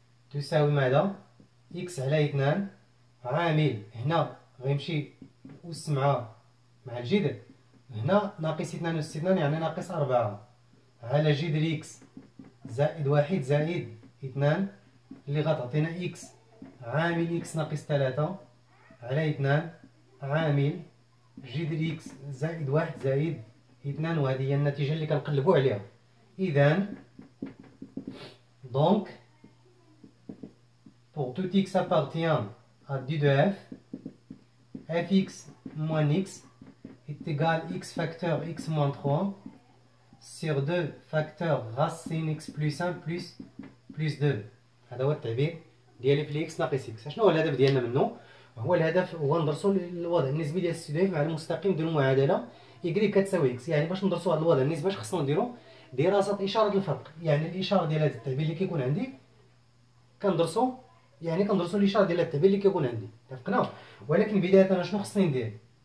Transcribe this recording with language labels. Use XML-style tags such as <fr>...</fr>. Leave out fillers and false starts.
<ar>تساوي ماذا؟ اكس على 2 عامل، هنا غيمشي اس مع الجذر، هنا ناقص 2 اس 2 يعني ناقص 4، على جذر اكس زائد 1 زائد 2 اللي غتعطينا اكس عامل اكس ناقص 3 على 2 عامل جذر اكس زائد 1 زائد 2، وهذه هي النتيجه اللي كنقلبوا عليها. اذا دونك</ar> <fr>pour tout x appartient à d de f fx moins x est égal x facteur x moins 3 sur 2 facteur racine x plus 1 plus plus 2.</fr> <ar>هذا هو التعبير ديال اف اكس ناقص اكس. شنو هو الهدف ديالنا منه؟ هو الهدف هو ندرسوا الوضع النسبي ديال السداسي مع المستقيم ديال المعادله يجري كتساوي اكس. يعني باش ندرسوا هذا الوضع النسبه اش خصنا نديروا؟ دراسه اشاره الفرق. يعني الاشاره ديال هذا التعبير اللي كيكون عندي كندرسوا، يعني كندرسوا الاشاره ديال التعبير اللي كيكون عندي، اتفقنا؟ ولكن بدايه انا شنو خصني ندير؟</ar>